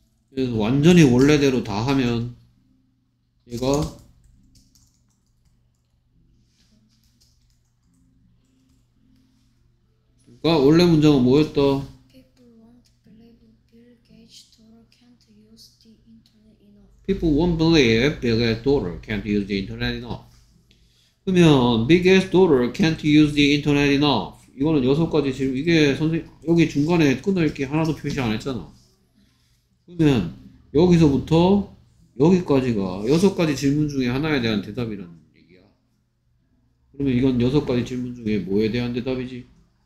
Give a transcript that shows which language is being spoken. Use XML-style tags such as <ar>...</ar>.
<ko>그래서 완전히 원래대로 다 하면 얘가 원래 문장은 뭐였다?</ko> <en>People won't believe Bill Gates' daughter can't use the internet enough. People won't believe Bill Gates' daughter can't use the internet enough.</en> <ko>그러면</ko> <en>Bill Gates' daughter can't use the internet enough.</en> <ko>이거는 여섯 가지 지금 이게 선생님 여기 중간에 끊어있기 하나도 표시 안 했잖아. 그러면 여기서부터 여기까지가 여섯 가지 질문 중에 하나에 대한 대답이라는 얘기야. 그러면 이건 여섯 가지 질문 중에 뭐에 대한 대답이지?</ko>